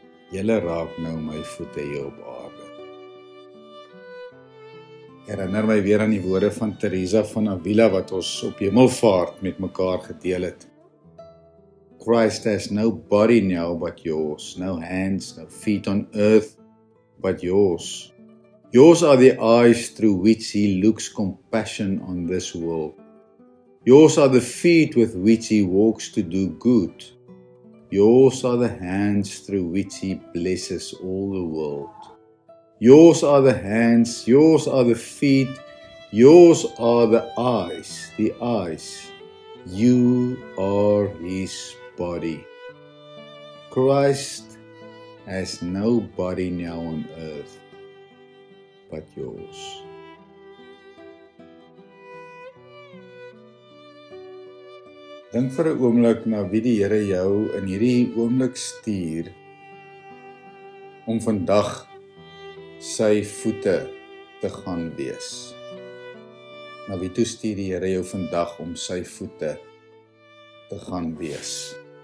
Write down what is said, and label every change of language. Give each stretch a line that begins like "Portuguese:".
Afrikaans: Julle raak nou my voete hier op aarde. Herinner my weer aan die woorde van Teresa van Avila wat ons op hemelvaart met mekaar gedeel het.
English: Christ has no body now but yours, no hands, no feet on earth but yours. Yours are the eyes through which he looks compassion on this world. Yours are the feet with which he walks to do good. Yours are the hands through which he blesses all the world. Yours are the hands, yours are the feet, yours are the eyes, you are his body. Christ has no body now on earth but yours.
Afrikaans: Dink vir 'n oomblik na wie die Here jou in hierdie oomblik stuur om vandag sy voete te gaan wees. Na wie toe stuur die Here jou vandag om sy voete te gaan wees?